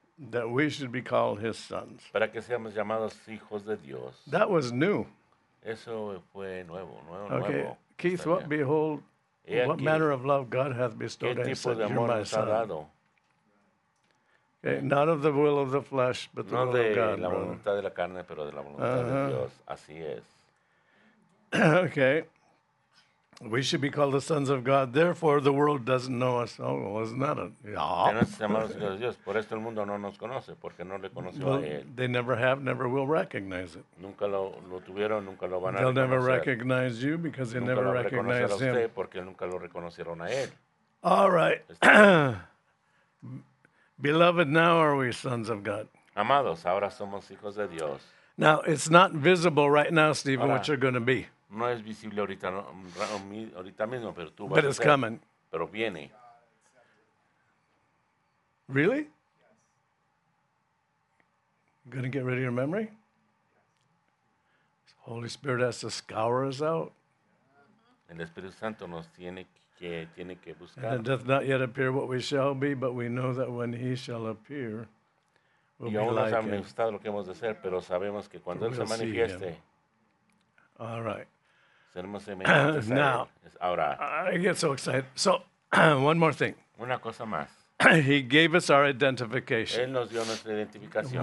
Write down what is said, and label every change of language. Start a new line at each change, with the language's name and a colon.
English: That we should be called his sons.
Spanish: Para que seamos llamados hijos de Dios.
English: That was new.
Spanish: Eso fue nuevo, nuevo,
English: okay.
Spanish: Nuevo.
English: Keith, what behold, what manner of love God hath bestowed on us.
Spanish: ¿Qué tipo de amor nos ha dado?
English: Okay. Not of the will of the flesh, but
Spanish: no
English: the will of God. No
Spanish: de la voluntad de la carne, pero de la voluntad de Dios. Así es.
English: Okay. We should be called the sons of God. Therefore, the world doesn't know us. Oh, wasn't that a... Yeah.
Spanish: Por esto el mundo no nos conoce, porque no le conoció a él.
English: They never have, never will recognize it.
Spanish: Nunca lo tuvieron, nunca lo van a reconocer.
English: They'll never recognize you because they never recognize him.
Spanish: Nunca lo reconocerá usted porque nunca lo reconocieron a él.
English: All right. Beloved, now are we sons of God.
Spanish: Amados, ahora somos hijos de Dios.
English: Now, it's not visible right now, Stephen, what you're going to be.
Spanish: No es visible ahorita, ahorita mismo, pero tú vas
English: but
Spanish: a
English: it's coming.
Spanish: Pero viene.
English: Really? You going to get rid of your memory? The Holy Spirit has to scour us out.
Spanish: El Espíritu Santo nos tiene que buscar.
English: And it doth not yet appear what we shall be, but we know that when he shall appear,
Spanish: y aún no se ha manifestado lo que hemos de ser, pero sabemos que cuando Él se manifieste,
English: All right.
Spanish: seremos semejantes a Él. Ahora,
English: I get so excited. So, one more thing.
Spanish: Una cosa más.
English: He gave us our identification.
Spanish: Él nos dio nuestra identificación.